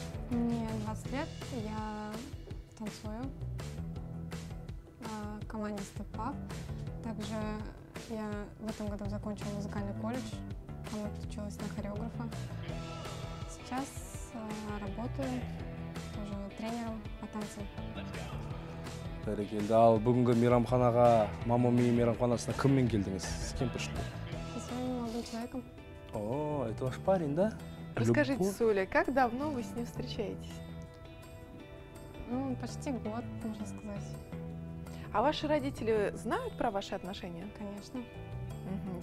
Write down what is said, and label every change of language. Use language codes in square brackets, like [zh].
[ru] Мне 20 лет, я танцую в команде Step Up. Также я в этом году закончила музыкальный колледж, там отучилась на хореографа. Сейчас работаю тоже тренером по танцам. [kk] Бәрекелді, ал бүгінгі мейрамханаға, Мамамия мейрамханасына кіммен келдіңіз? [ru] С кем пришли? С вами молодым человеком. О, это ваш парень, да? Расскажите, Суля, как давно вы с ним встречаетесь? Ну, почти год, можно сказать. А ваши родители знают про ваши отношения? Конечно. Угу.